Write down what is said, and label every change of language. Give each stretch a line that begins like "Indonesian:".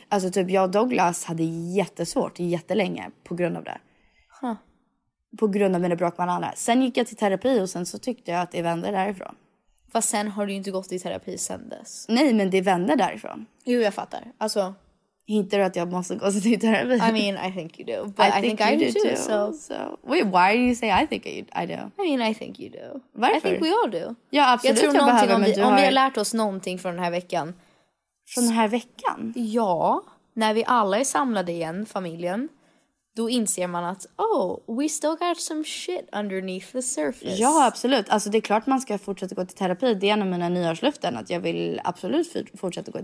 Swedish: Alltså typ jag och Douglas hade jättesvårt jättelänge på grund av det. Huh. På grund av mina bråk med andra. Sen gick jag till terapi och sen så tyckte jag att det vände därifrån. Fast sen har du ju inte gått i terapi sen dess. Nej, men det vände därifrån. Jo, jag fattar. Alltså Hittar du att jag måste gå och titta på det?
English: I mean, I think you do. But I think I do too. Wait, why do you say I think I do? I mean, I think you do.
Swedish: Varför?
English: I think we all do.
Swedish: Ja, absolut. Jag tror någonting om vi har lärt oss någonting från den här veckan. Från den här veckan? Ja. När vi alla är samlade igen, familjen. Då inser man att,
English: oh, we still got some shit underneath the surface.
Swedish: Ja, absolut. Alltså det är klart man ska fortsätta gå till terapi. Det är en av mina nyårslöften att jag vill absolut fortsätta gå till